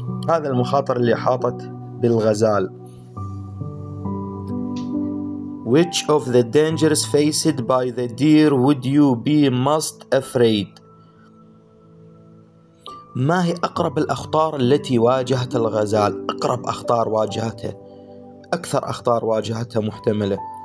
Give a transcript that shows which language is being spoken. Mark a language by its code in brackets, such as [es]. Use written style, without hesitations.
[ar] هذا المخاطر اللي حاطت بالغزال. [en] Which of the dangers faced by the deer would you be most afraid? [ar] ما هي أقرب الأخطار التي واجهت الغزال؟ أقرب أخطار واجهتها، أكثر أخطار واجهتها محتملة.